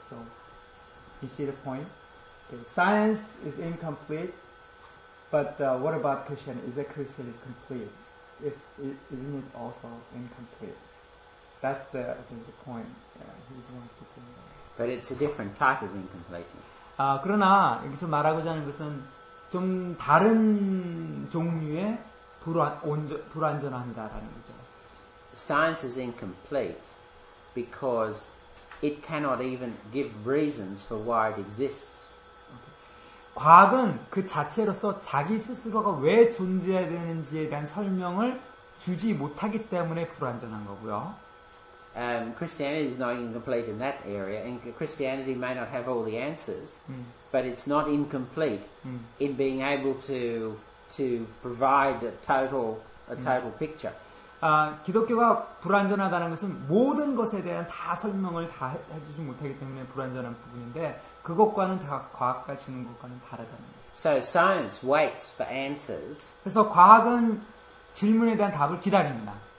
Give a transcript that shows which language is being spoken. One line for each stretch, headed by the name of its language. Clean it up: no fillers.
English: So, you see the point? Okay. Science is incomplete, but what about Christianity? Is that Christianity complete? Isn't it also incomplete? That's the point he wants to bring up. But it's a different type of incompleteness.
Korean: 그러나 여기서 말하고자 하는 것은 좀 다른 종류의 불완전한다라는 거죠.
English: Science is incomplete because it cannot even give reasons for why it exists. Okay.
Korean: 과학은 그 자체로서 자기 스스로가 왜 존재해야 되는지에 대한 설명을 주지 못하기 때문에 불완전한 거고요.
English: Christianity is not incomplete in that area, and Christianity may not have all the answers, but it's not incomplete in being able to provide a total picture.
Korean: 기독교가 불완전하다는 것은 모든 것에 대한 다 설명을 다 해주지 못하기 때문에 불완전한 부분인데 그것과는 다 과학과 주는 것과는 다르다는 거죠.
English: So science waits for answers.
Korean: 그래서 과학은 질문에 대한 답을 기다립니다.